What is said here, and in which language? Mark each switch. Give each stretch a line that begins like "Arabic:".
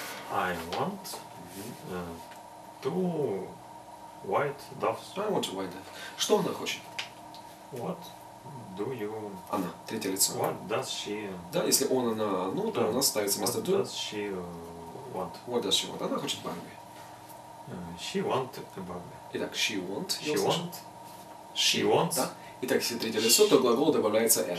English: I want two white doves. I want white doves.
Russian: Что она хочет?
English: What do you...
Russian: Она, третье лицо.
English: What does she...
Russian: Да, если он, она, ну, то у нас ставится место do.
English: What does she... Want. What does she want?
Russian: Она хочет Барби.
English: She want Барби.
Russian: Итак,
English: she want. She want. She want. Да?
Russian: Итак, если третье лицо, то глагол добавляется s.